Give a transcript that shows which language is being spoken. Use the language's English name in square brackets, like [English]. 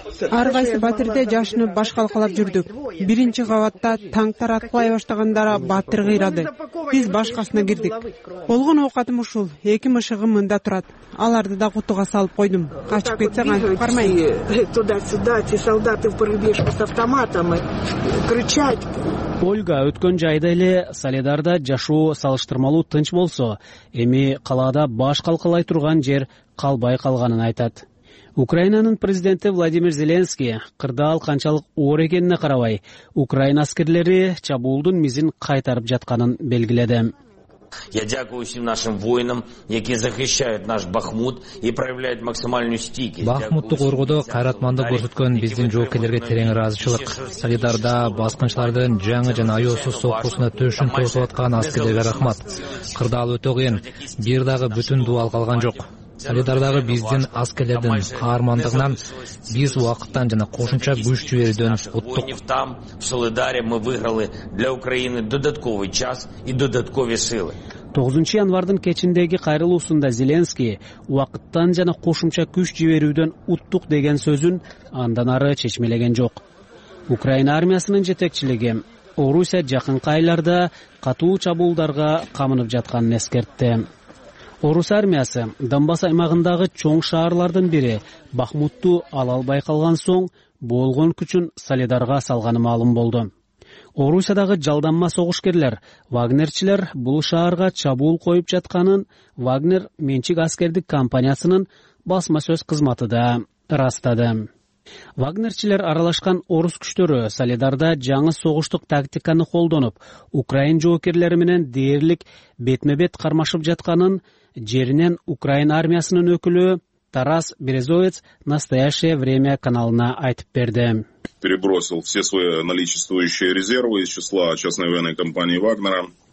[Kyrgyz] Ар кайсы батирде жашынып башкалкалап жүрдүк. Биринчи кабатта танктар аткылай баштагандара батыр кыйрады. Биз башкасына кирдик. Болгон оокатым ушул, эки мышыгым мында турат. Аларды да кутуга салып койдум. Качып кетсе кантип бармайм. [Russian] Туда-сюда, те солдаты в прыбежку с автоматом кричать. [Kyrgyz] Ольга, өткөн жайда эле Солидарда жашоо салыштырмалуу тынч болсо, эми калада баш калкалай турган жер калбай калганын айтат. Украинанын президенти Владимир Зеленский кырдаал канчалык оор экенине карабай, Украина аскерлери чабуулдун мизин кайтарып жатканын белгиледи. [Ukrainian] Я дякую всем нашим воинам, які захищають наш Бахмут і проявляють максимальну стійкість. [Kyrgyz] Бахмутту коргоду кайратманды көрсөткөн биздин жоокерлерге терең ыраазычылык. Солидарда баскынчылардын жаңы жана аёосуз соққусуна төшүн тосуп аткан аскерлерге рахмат. Кырдаал өтө кыйын, бир дагы бүтүн дубал калган жок. Солидардагы биздин аскерлердин каармандыгынан биз убакыттан жана кошумча күч жибердөн уттук. [Russian] В Солидаре мы выиграли для Украины додатковый час и додатковые силы. [Kyrgyz] 9 январдын кечиндеги кайрылуусунда Зеленский убакыттан жана кошумча күч жибердөн уттук деген сөзүн андан ары чечмелеген жок. Украина армиясынын жетекчилиги Орусия жакынкы айларда катуу чабуулдарга камынып жатканын эскертти. Орус армиясы Донбасс аймагындагы чоң шаарлардын бири Бахмутту ала албай калган соң болгон күчүн Солидарга салганы маалым болду. Орусиядагы жалданма согушкерлер, Вагнерчилер бул шаарга чабуул коюп жатканын Вагнер менчик аскердик компаниясынын басма сөз кызматы да ырастады. Вагнерчилер аралашкан орус күчтөрү Солидарда жаңы согуштук тактиканы колдонуп, украин жоокерлери менен дээрлик бетме-бет кармашып жатканын жеринен Украина армиясынын өкүлү Тарас Березовец настоящее время каналына айтып берди. [Russian] Перебросил все свои наличествующие резервы из числа частной военной компании Вагнера.